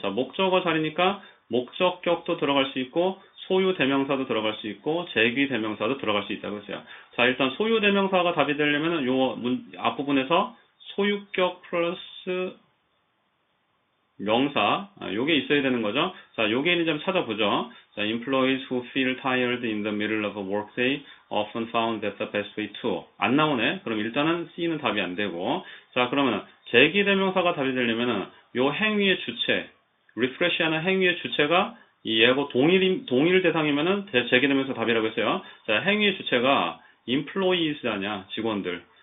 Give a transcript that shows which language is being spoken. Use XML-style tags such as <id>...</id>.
<ko>자, 목적어 자리니까, 목적격도 들어갈 수 있고, 소유 대명사도 들어갈 수 있고, 제기 대명사도 들어갈 수 있다고 했어요. 자, 일단 소유 대명사가 답이 되려면은, 요, 앞부분에서, 소유격 플러스, 명사. 아, 요게 있어야 되는 거죠. 자, 요게 있는지 한번 찾아보죠.</ko> <en>자, employees who feel tired in the middle of a workday often found that the best way to.</en> <ko>안 나오네. 그럼 일단은 C는 답이 안 되고. 자, 그러면 제기 대명사가 답이 되려면은 요 행위의 주체, refresh 하는 행위의 주체가 이 예고 동일 대상이면은 제기 대명사 답이라고 했어요. 자, 행위의 주체가 employees 아니야. 직원들.</ko>